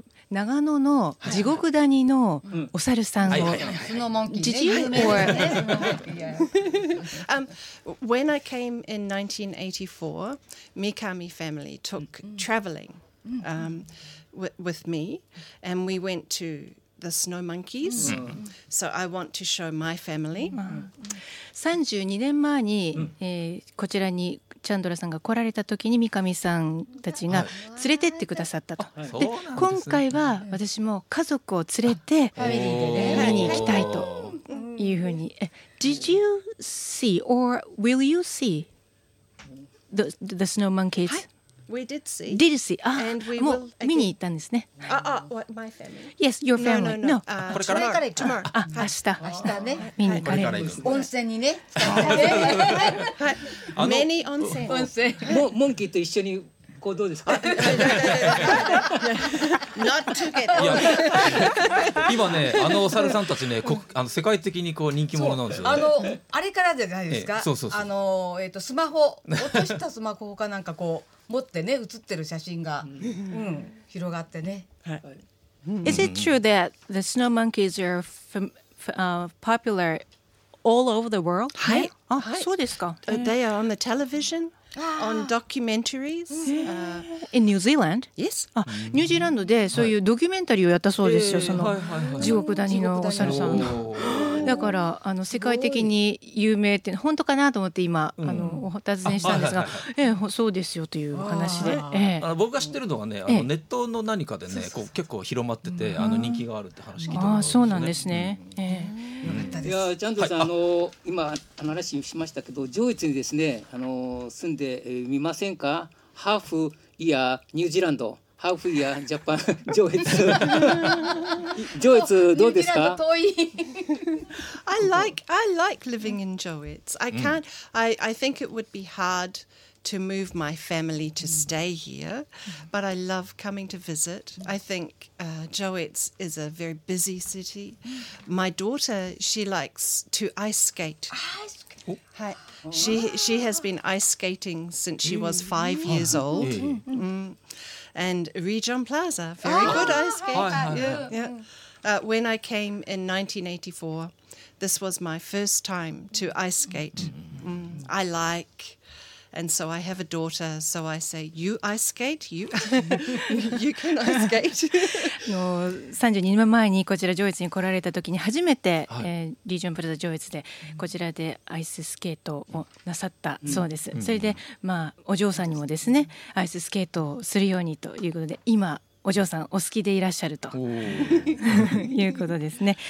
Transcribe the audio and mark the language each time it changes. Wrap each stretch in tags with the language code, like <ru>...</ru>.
<ja>長野の地獄谷のお猿さんを、スノーモンキー</ja> <en>ね。Did you? When I came in 1984, Mikami family took traveling with me, and we went to the snow monkeys. So I want to show my family.</en> <ja>32年前に、こちらにチャンドラさんが来られた時に三上さんたちが連れてってくださったと、で今回は私も家族を連れて見に行きたいというふうに。</ja> <en>Did you see or will you see the snow monkeys? We did see. Did you see? Ah, and we will.</en> <ja>もう見に行ったんですね。</ja> <en>What, my family. Yes, your family. No, no, no.</en> <ja>これから行く。</ja> <en>Tomorrow.</en> <ja>明日。明日ね。見に行かれる。温泉にね。はい。Many 温泉。温泉。モンキーと一緒に行動ですか。</ja> <en>Not together.</en> <ja>今ね、あのお猿さんたちね、世界的にこう人気者なんですよね。あれからじゃないですか。そうそうそう。スマホ、落としたスマホかなんかこう。持ってね、写ってる写真が、広がってね。はい。</ja> <en>Is it true that the snow monkeys are popular all over the world?</en> <ja>はい。あ、そうですか。</ja> <en>They are on the television, on documentaries. In New Zealand? Yes.</en> <ja>あ、ニュージーランドでそういうドキュメンタリーをやったそうですよ、その地獄谷のお猿さん。だから世界的に有名って本当かなと思って今お尋ねしたんですが、そうですよという話で、僕が知ってるのはね、ネットの何かでね、こう結構広まってて、人気があるって話聞いたことあるんですね。そうなんですね。いや、ジャンドさん、今話しましたけど、上越にですね、住んでみませんか？</ja> <en>ハーフイヤーニュージーランド、ハーフイヤージャパン、上越。</en> <ja>上越どうですか？ニュージーランド遠い。</ja> <en>I like living in Joetz. I can't. I think it would be hard to move my family to stay here, but I love coming to visit. I think Joetz is a very busy city. My daughter, she likes to ice skate. She has been ice skating since she was 5 years old. And Region Plaza, very good ice skate. When I came in 1984. This was my first time to ice skate. I like And so I have a daughter, so I say, you ice skate, you, you can ice skate.</en> <ja>32年前にこちら上越に来られた時に初めて、はい、リージョンプラザ上越でこちらでアイススケートをなさったそうです、うん、それで、まあ、お嬢さんにもですね、アイススケートをするようにということで、今お嬢さんお好きでいらっしゃるとおいうことですね。</ja>